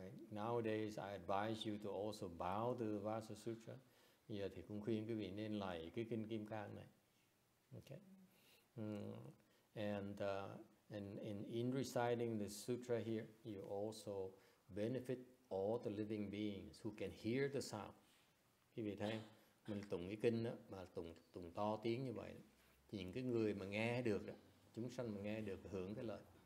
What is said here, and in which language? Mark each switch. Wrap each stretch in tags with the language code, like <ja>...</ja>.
<en>Nowadays I advise you to also bow the Vajra Sutra.</en> <vi>Giờ thì cũng khuyên quý vị nên lạy cái kinh Kim Cang này.</vi> <en>Okay. And in reciting the sutra here, you also benefit all the living beings who can hear the sound.</en> <vi>Quý vị thấy mình tụng cái kinh đó, mà tụng to tiếng như vậy đó. Thì những cái người mà nghe được đó, chúng sanh mà nghe được hưởng cái lợi.</vi>